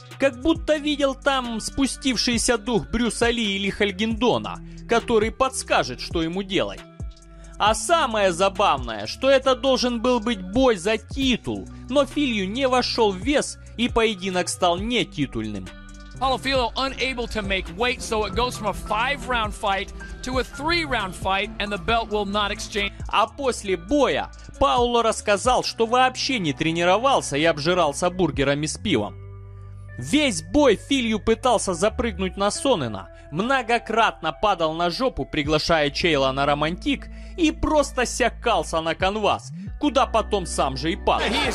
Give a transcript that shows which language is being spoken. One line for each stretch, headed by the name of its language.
Russian: Как будто видел там спустившийся дух Брюса Ли или Хальгиндона, который подскажет, что ему делать. А самое забавное, что это должен был быть бой за титул, но Филью не вошел в вес и поединок стал не титульным.
English: Paulo Filho unable to make weight, so it goes from a 5-round fight to a 3-round fight, and the belt will not exchange.
Russian: А после боя Пауло рассказал, что вообще не тренировался и обжирался бургерами с пивом. Весь бой Филью пытался запрыгнуть на Сонена, многократно падал на жопу, приглашая Чейла на романтик, и просто сякался на канвас, куда потом сам же и падал.